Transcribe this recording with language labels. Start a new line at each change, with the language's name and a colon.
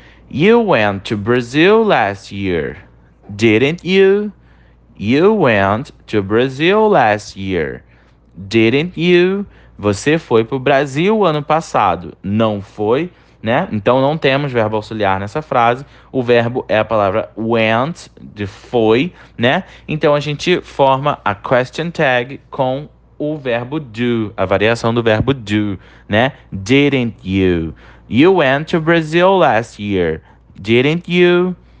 English: You went to Brazil last year, didn't you? You went to Brazil last year, didn't you?
Portuguese: Você foi para o Brasil ano passado, não foi? Né? Então não temos verbo auxiliar nessa frase. O verbo é a palavra went, de foi, né? Então a gente forma a question tag com o verbo do, a variação do verbo do, né?
English: Didn't you? You went to Brazil last year, didn't you?